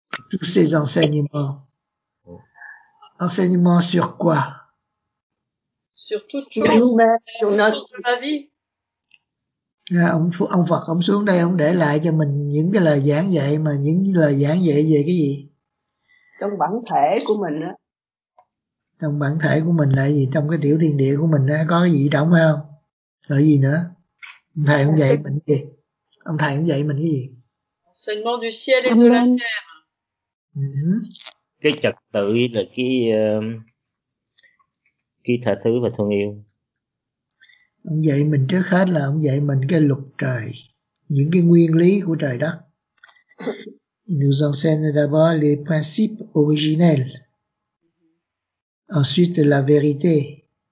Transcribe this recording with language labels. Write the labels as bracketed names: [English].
[French] tous ses enseignements. Enseignements sur quoi? Sur tout ce qui est sur la vie. [Vietnamese] Ông Phật ông xuống đây ông để lại cho mình những cái lời giảng dạy, mà những lời giảng dạy về cái gì? Trong bản thể của mình á. Trong bản thể của mình là gì? Trong cái tiểu thiên địa của mình á, có cái gì trống không? Rồi gì nữa? Ông thầy ông dạy mình gì? Ông thầy ông dạy mình cái gì? [French] Enseignement du ciel et de la terre. [Vietnamese] Cái trật tự là cái tha thứ và thương yêu. Ông dạy mình trước hết là ông dạy mình cái luật trời, những cái nguyên lý của trời đất. [French] Il nous enseigne d'abord les principes originels. Ensuite, la vérité.